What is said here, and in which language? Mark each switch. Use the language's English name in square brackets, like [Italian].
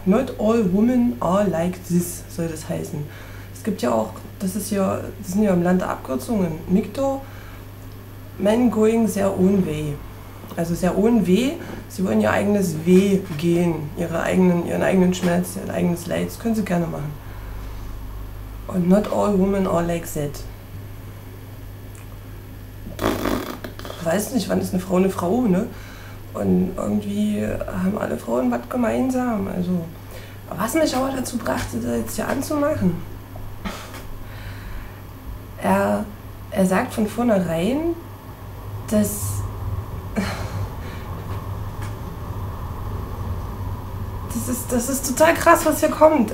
[English] Not all women are like this, [German] soll das heißen. Es gibt ja auch, das sind ja im Land der Abkürzungen, MGTOW, [English] men going their own way. [German] Also sehr ohne Weh, sie wollen ihr eigenes Weh gehen, ihren eigenen Schmerz, ihr eigenes Leid, das können sie gerne machen. [English] Und not all women are like that. [German] Ich weiß nicht, wann ist eine Frau eine Frau, ne? Und irgendwie haben alle Frauen was gemeinsam, also. Was mich aber dazu brachte, das jetzt hier anzumachen. Er sagt von vornherein, dass Das ist total krass, was hier kommt.